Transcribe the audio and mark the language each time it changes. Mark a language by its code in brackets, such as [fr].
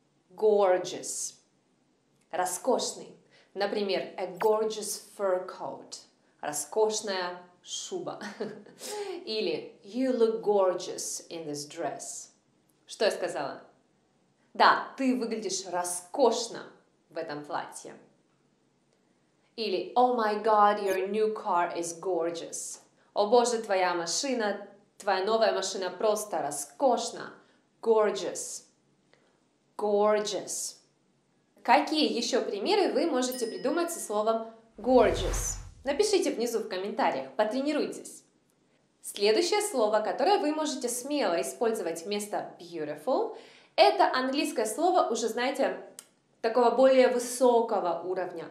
[en] Gorgeous. [ru] Роскошный. Например, [en] a gorgeous fur coat. [ru] Роскошная шуба. Или [en] you look gorgeous in this dress. [ru] Что я сказала? Да, ты выглядишь роскошно в этом платье. Или [en] oh my god, your new car is gorgeous. [ru] О боже, твоя новая машина просто роскошна. [en] Gorgeous. Gorgeous. [ru] Какие еще примеры вы можете придумать со словом gorgeous? Напишите внизу в комментариях, потренируйтесь. Следующее слово, которое вы можете смело использовать вместо beautiful, это английское слово, уже знаете, такого более высокого уровня.